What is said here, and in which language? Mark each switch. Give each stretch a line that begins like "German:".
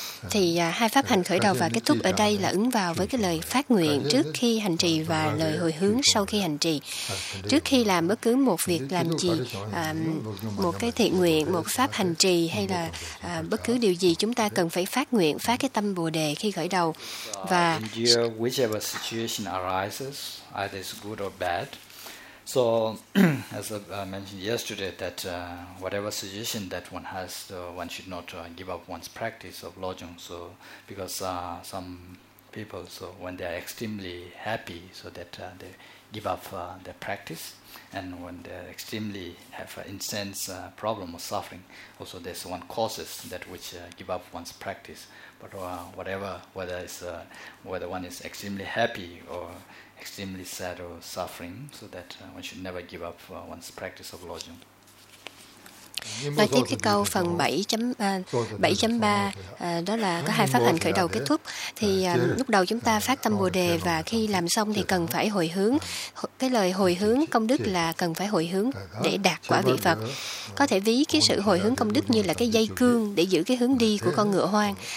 Vietnamese: Thì hai pháp hành khởi đầu và kết thúc ở đây là ứng vào với cái lời phát nguyện trước khi hành trì và lời hồi hướng sau khi hành trì. Trước khi làm bất cứ một việc làm gì, một cái thiện nguyện, một pháp hành trì hay là bất cứ điều gì, chúng ta cần phải phát nguyện, phát cái tâm Bồ Đề khi khởi đầu. Và
English: whichever situation arises, either it's good or bad. So, as I mentioned yesterday, that whatever suggestion that one has, one should not give up one's practice of Lojong. So, because some people, so when they are extremely happy, so that they give up their practice, and when they extremely have intense problem or suffering, also there's one causes that which give up one's practice. But whatever, whether it's whether one is extremely happy or extremely sad or suffering, so that one should never give up one's practice of Lojong.
Vietnamese: Nói tiếp cái câu phần 7.3 đó là có hai pháp hành khởi đầu kết thúc. Thì lúc đầu chúng ta phát tâm Bồ Đề và khi làm xong thì cần phải hồi hướng. Cái lời hồi hướng công đức là cần phải hồi hướng để đạt quả vị Phật. Có thể ví cái sự hồi hướng công đức như là cái dây cương để giữ cái hướng đi của con ngựa hoang.